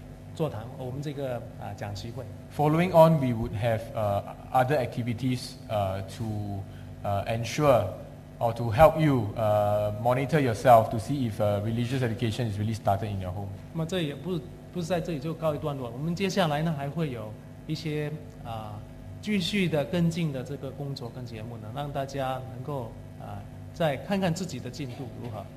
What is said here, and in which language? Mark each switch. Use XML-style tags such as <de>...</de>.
<zh>所以这就是我们这两个星期里面的一些我们的节目呢，就是有包括展览会那些资料，还有我们的座谈，我们这个讲习会。</zh> <en>Following on, we would have other activities to ensure or to help you monitor yourself to see if religious education is really started in your home.</en> <zh>那么这也不是在这里就告一段落，我们接下来呢还会有一些。继续的跟进的这个工作跟节目呢，让大家能够再看看自己的进度如何。</zh>